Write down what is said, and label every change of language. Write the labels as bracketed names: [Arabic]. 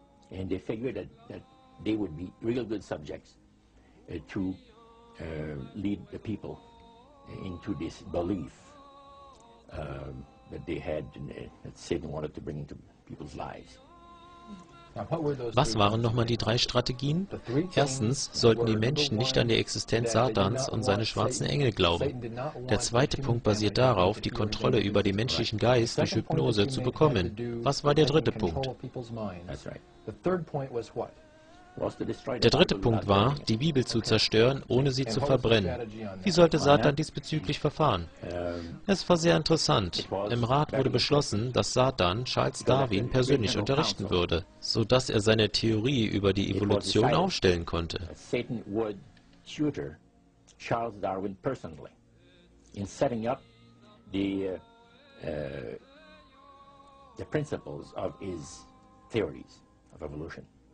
[English] And they figured that they would be real good subjects to lead the people into this belief that they had, that Satan wanted to bring into people's lives. [German] Was waren nochmal die drei Strategien? Erstens sollten die Menschen nicht an die Existenz Satans und seine schwarzen Engel glauben. Der zweite Punkt basiert darauf, die Kontrolle über den menschlichen Geist durch Hypnose zu bekommen. Was war der dritte Punkt? Der dritte Punkt war, die Bibel zu zerstören, ohne sie zu verbrennen. Wie sollte Satan diesbezüglich verfahren? Es war sehr interessant. Im Rat wurde beschlossen, dass Satan Charles Darwin persönlich unterrichten würde, sodass er seine Theorie über die Evolution aufstellen konnte. [English] Satan would tutor Charles Darwin personally in setting up the principles of his theories of evolution.